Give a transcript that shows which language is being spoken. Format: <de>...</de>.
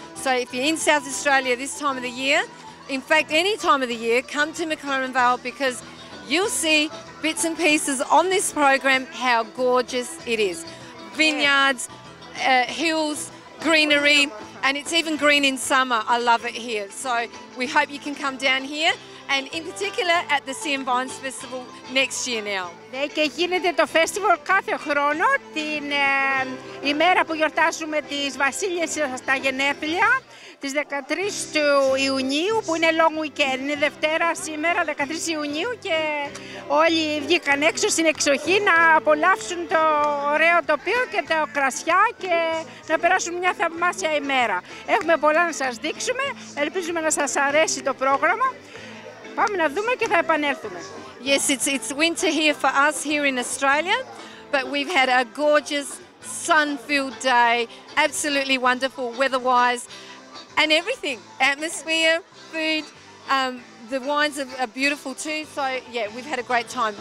<en>So if you're in South Australia this time of the year, in fact any time of the year, come to McLaren Vale because you'll see bits and pieces on this program how gorgeous it is. Vineyards, hills, greenery, and it's even green in summer. I love it here. So we hope you can come down here. And in particular at the Sea and Vines Festival next year now.</en> <el>Ναι, και γίνεται το festival κάθε χρόνο την ημέρα που γιορτάζουμε τις βασίλισσες στα γενέθλια, τις 13 του Ιουνίου, που είναι long weekend, είναι Δευτέρα σήμερα, 13 Ιουνίου, και όλοι βγήκαν έξω στην εξοχή να απολαύσουν το ωραίο τοπίο και τα κρασιά και να περάσουν μια θαυμάσια ημέρα. Έχουμε πολλά να σας δείξουμε, ελπίζουμε να σας αρέσει το πρόγραμμα. Πάμε να δούμε και θα επανέλθουμε.</el> <en>Yes, it's winter here for us here in Australia, but we've had a gorgeous sun-filled day, absolutely wonderful weather-wise, and everything, atmosphere, food, the wines are beautiful too, so yeah, we've had a great time.</en>